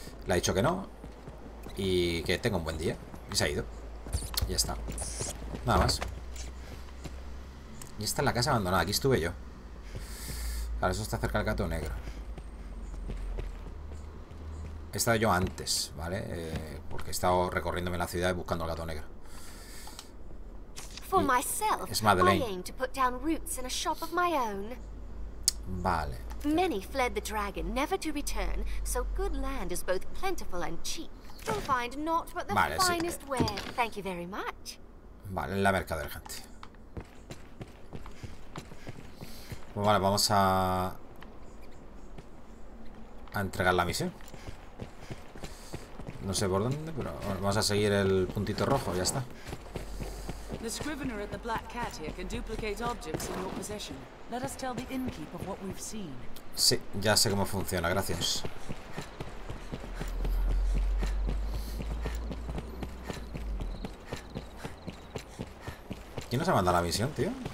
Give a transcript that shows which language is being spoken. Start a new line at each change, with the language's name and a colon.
Spanish: Le ha dicho que no y que tenga un buen día. Y se ha ido. Ya está. Nada más. Y está en la casa abandonada, aquí estuve yo. Claro, eso está cerca del gato negro. He estado yo antes, ¿vale? Porque he estado recorriéndome la ciudad buscando al gato negro.
English: For myself, Madeline. I aim to put down roots in a shop of my own.
Spanish: Vale.
English: Many fled the dragon, never to return, so good land is both plentiful and cheap. You'll find not but the
Spanish: vale,
English: finest
Spanish: sí.
English: Ware. Thank you very much.
Spanish: Vale, la mercader, gente. Bueno, vale, vamos a entregar la misión. No sé por dónde, pero vamos a seguir el puntito rojo, ya está.
English: The scrivener at the Black Cat here can duplicate objects in your possession. Let us tell the innkeeper what we've seen.
Spanish: Sí, ya sé cómo funciona, gracias. ¿Quién nos ha mandado la misión, tío?